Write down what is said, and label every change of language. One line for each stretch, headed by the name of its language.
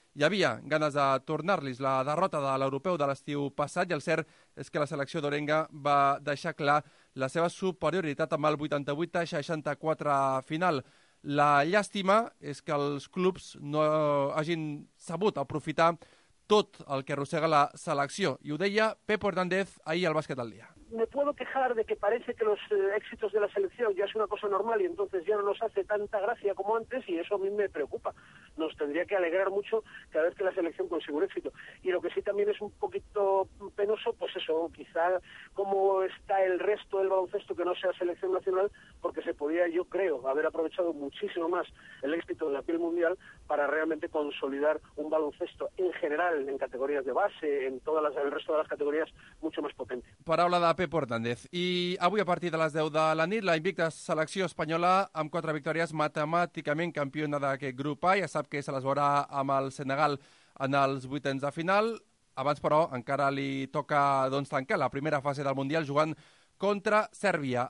Catalan: Hi havia ganes de tornar-los la derrota de l'europeu de l'estiu passat i el cert és que la selecció d'Orenga va deixar clar la seva superioritat amb el 88-64 final. La llàstima és que els clubs no hagin sabut aprofitar tot el que arrossega la selecció. I ho deia Pepo Hernández ahir al Bàsquet al Dia.
Spanish: Me puedo quejar de que parece que los éxitos de la selección ya es una cosa normal y entonces ya no nos hace tanta gracia como antes y eso a mí me preocupa. Nos tendría que alegrar mucho cada vez que la selección consigue un éxito. Y lo que sí también es un poquito penoso, pues eso, quizá cómo está el resto del baloncesto que no sea selección nacional, porque se podía, yo creo, haber aprovechado muchísimo más el éxito de la piel mundial para realmente consolidar un baloncesto en general, en categorías de base, en todas las, en el resto de las categorías, mucho más potente.
Catalan: Paraula de Pep Hernández. I avui a partir de les 10 de la nit, la invicta selecció espanyola amb 4 victòries matemàticament campiona d'aquest grup A, ja sap que se les veurà amb el Senegal en els vuitens de final. Abans, però, encara li toca doncs, tancar la primera fase del Mundial jugant contra Sèrbia.